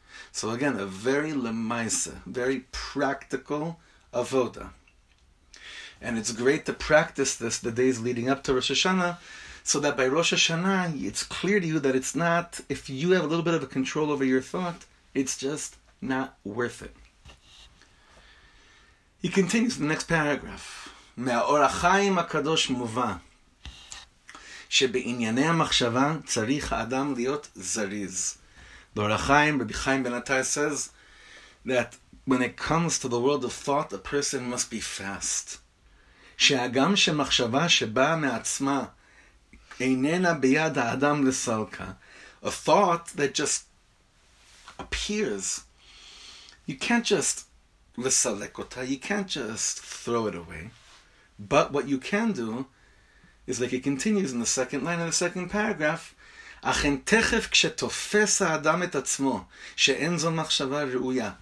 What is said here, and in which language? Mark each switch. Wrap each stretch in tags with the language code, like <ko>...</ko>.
<en>So again, a very lemaisa, very practical avoda. And it's great to practice this the days leading up to Rosh Hashanah, so that by Rosh Hashanah, it's clear to you that it's not, if you have a little bit of a control over your thought, it's just not worth it. He continues in the next paragraph.</en> <he>מהאור החיים הקדוש מובן שבענייני המחשבה צריך האדם להיות זריז.</he> <en>באור החיים, רבי חיים בן עטר says that when it comes to the world of thought, a person must be fast.</en> <he>שהגם שמחשבה שבאה מעצמה איננה ביד האדם לסלקה.</he> <en>A thought that just appears, you can't just</en> <he>לסלק אותה,</he> <en>you can't just throw it away. But what you can do is, like it continues in the second line of the second paragraph,</en> <he>אכן תכף כשתופס האדם את עצמו שאין זו מחשבה ראויה.</he>